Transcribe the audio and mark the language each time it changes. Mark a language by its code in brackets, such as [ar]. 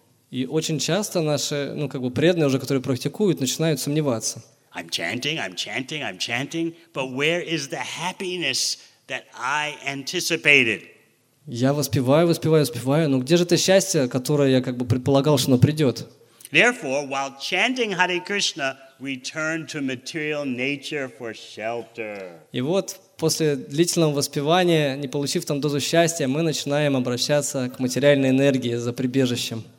[ru] И очень часто наши, ну как бы преданные уже, которые практикуют, начинают сомневаться. [en] I'm chanting, but where is the happiness that I anticipated? [ru] Я воспеваю, но где же это счастье, которое я как бы предполагал, что оно придет? [en] Therefore, while chanting Hare Krishna, we turn to material nature for shelter. [ru] И вот после длительного воспевания, не получив там дозу счастья, мы начинаем обращаться к материальной энергии за прибежищем.